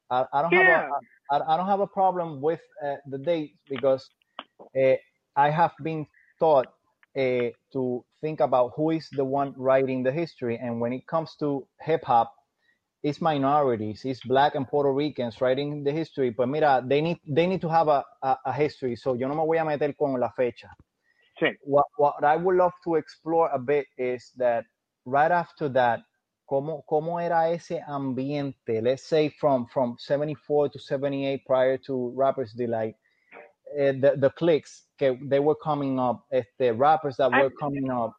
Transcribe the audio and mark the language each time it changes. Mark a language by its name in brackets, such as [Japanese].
[English] I don't have a problem with the date because I have been taught to think about who is the one writing the history. And when it comes to hip-hop, it's minorities, it's Black and Puerto Ricans writing the history. But [Spanish] mira, [English] they need to have a history. So [Spanish] yo no me voy a meter con la fecha. Sí. [English] What I would love to explore a bit is that right after that, [Spanish] ¿cómo era ese ambiente? [English] Let's say from 74 to 78 prior to Rapper's Delight, the cliques, [Spanish] que [English] they were coming up, the rappers that were coming up.